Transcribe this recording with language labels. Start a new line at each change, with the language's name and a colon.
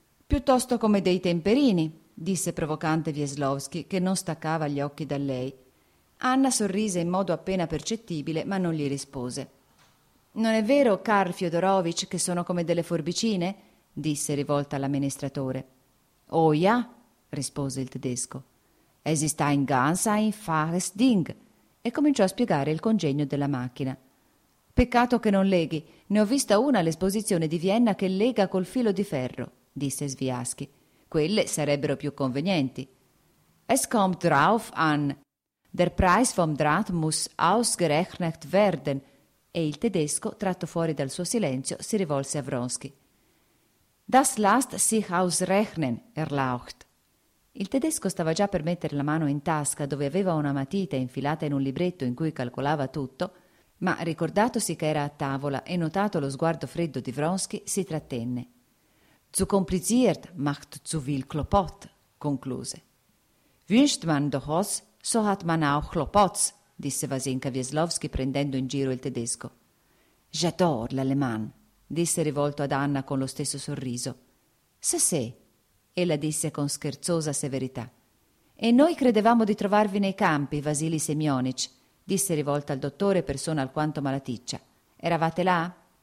Italian: «Piuttosto come dei temperini», disse provocante Wieslowski, che non staccava gli occhi da lei. Anna sorrise in modo appena percettibile, ma non gli rispose. «Non è vero, Karl Fyodorovich, che sono come delle forbicine?» disse rivolta all'amministratore. «Oia!» rispose il tedesco.
German: «Es ist ein ganz einfaches Ding!»
Italian: e cominciò a spiegare il congegno della macchina. «Peccato che non leghi. Ne ho vista una all'esposizione di Vienna che lega col filo di ferro», disse Sviaschi. «Quelle sarebbero più convenienti».
German: «Es kommt drauf an. Der Preis vom Draht muss ausgerechnet werden».
Italian: E il tedesco, tratto fuori dal suo silenzio, si rivolse a Wronski.
German: «Das lasst sich ausrechnen, erlaucht!»
Italian: Il tedesco stava già per mettere la mano in tasca, dove aveva una matita infilata in un libretto in cui calcolava tutto, ma, ricordatosi che era a tavola e notato lo sguardo freddo di Wronski, si trattenne.
German: «Zu kompliziert macht zu viel Klopot!» concluse. «Wünscht man doch was, so hat man auch Klopots!»
Italian: disse Vasinka Wieslowski prendendo in giro il tedesco.
French: «J'adore l'allemand»,
Italian: disse rivolto ad Anna con lo stesso sorriso. «Se se», ella disse con scherzosa severità. «E noi credevamo di trovarvi nei campi, Vasili Semionic», disse rivolto al dottore, persona alquanto malaticcia. «Eravate là?»